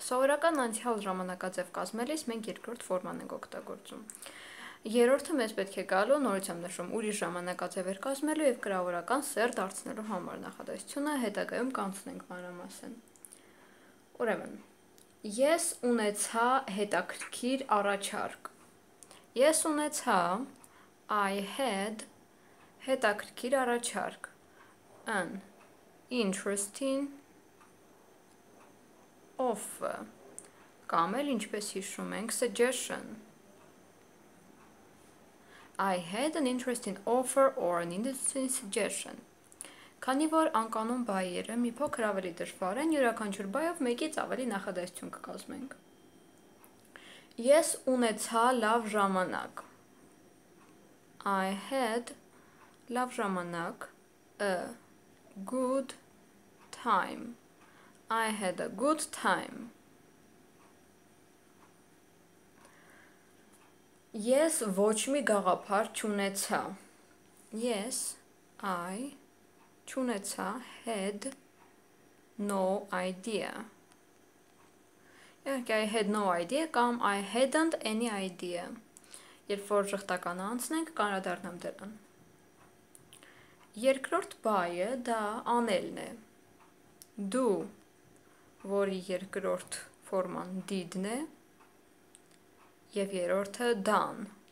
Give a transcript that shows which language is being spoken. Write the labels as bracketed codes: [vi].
[hy] Սովորական անցյալ ժամանակաձև կազմելիս մենք երկրորդ ֆորման ենք օգտագործում։ Երրորդը մեզ պետք է գալու նորությամբ նշում ուրիշ ժամանակաձևեր կազմելու եւ կրավորական սեր դարձնելու համար նախադասությունը հետագայում կանցնենք մանրամասն։ Ուրեմն, ես ունեցա հետաքրքիր առաջարկ։ Ես ունեցա [en] I had [hy] հետաքրքիր առաջարկ. [en] An interesting offer, [hy] կամ էլ ինչպես հիշում ենք, [en] suggestion. I had an interesting offer or an interesting suggestion. [hy] Քանի որ անկանոն բայերը մի փոքր ավելի դժվար են, յուրաքանչյուր բայով մեկից ավելի նախադասություն կկազմենք։ Ես ունեցա լավ ժամանակ. [en] I had [hy] լավ ժամանակ, [en] a good time. I had a good time. [hy] Ես ոչ մի գաղափար չունեցա. [en] Yes, I [hy] չունեցա, [en] had no idea. [hy] Եկեք, [en] I had no idea կամ I hadn't any idea. [hy] Երբ որ ժխտական անցնենք, կանրադառնամ դրան։ Երկրորդ բայը դա անելն է. Do, որի երկրորդ ֆորման did-ն է, եւ երրորդը done.